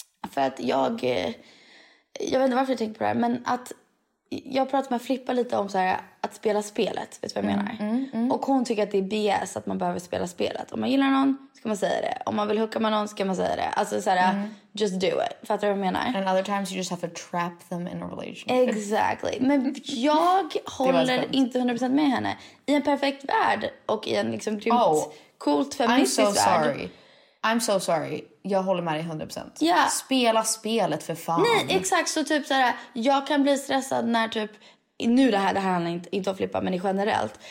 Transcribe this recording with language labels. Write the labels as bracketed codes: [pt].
[sv] För att jag vet inte varför jag tänker på det här, men att jag pratar med Flippa lite om så här, att spela spelet, vet du vad jag menar? Och hon tycker att det är BS att man behöver spela spelet. Om man gillar någon ska man säga det. Om man vill hooka med någon ska man säga det. Alltså så här, [en] just do it. [sv] Fattar du vad jag menar? [en] And other times you just have to trap them in a relationship. Exactly. [sv] Men jag håller inte 100% med henne. I en perfekt värld och i en liksom grymt, coolt feministiskt värld. [en] I'm so sorry. [sv] Jag håller med dig 100%. Yeah. Spela spelet för fan. Nej, exakt. Så typ så här, jag kan bli stressad när typ... Nu det här handlar inte om Flippa, men generellt.